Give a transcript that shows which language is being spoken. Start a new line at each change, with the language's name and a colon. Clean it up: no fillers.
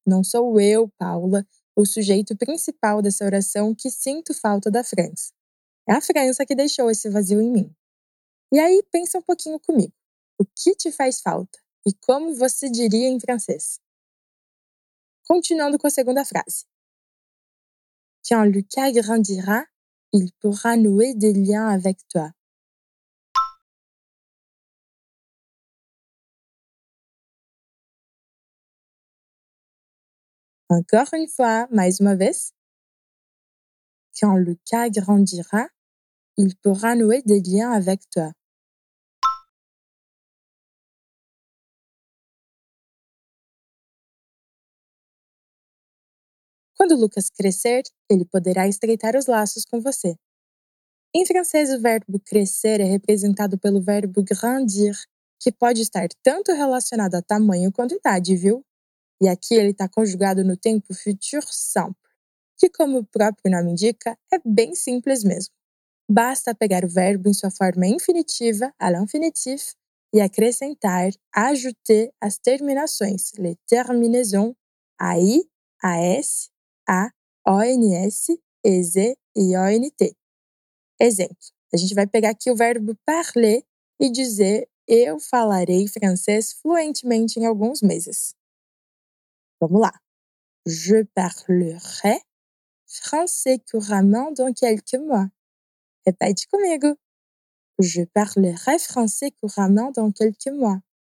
Portuguese: Não sou eu, Paula, o sujeito principal dessa oração que sinto falta da França. É a França que deixou esse vazio em mim. E aí, pensa um pouquinho comigo. O que te faz falta? E como você diria em francês? Continuando com a segunda frase.
French: Quand Lucas grandira, il pourra nouer des liens avec toi. Encore une fois,
Portuguese: mais uma vez.
French: Quand Lucas grandira, il pourra nouer des liens avec toi.
Portuguese: Quando Lucas crescer, ele poderá estreitar os laços com você. Em francês, o verbo crescer é representado pelo verbo grandir, que pode estar tanto relacionado a tamanho quanto a idade, viu? E aqui ele está conjugado no tempo futur simple, que, como o próprio nome indica, é bem simples mesmo. Basta pegar o verbo em sua forma infinitiva,
French: à l'infinitif,
Portuguese: e acrescentar, ajouter as terminações,
French: les terminaisons,
Portuguese: a I, a S, a ONS, EZ e ONT. Exemplo, a gente vai pegar aqui o verbo parler e dizer eu falarei francês fluentemente em alguns meses. Vamos lá.
French: Je parlerai français couramment dans quelques mois.
Portuguese: Repete comigo.
French: Je parlerai français couramment dans quelques mois.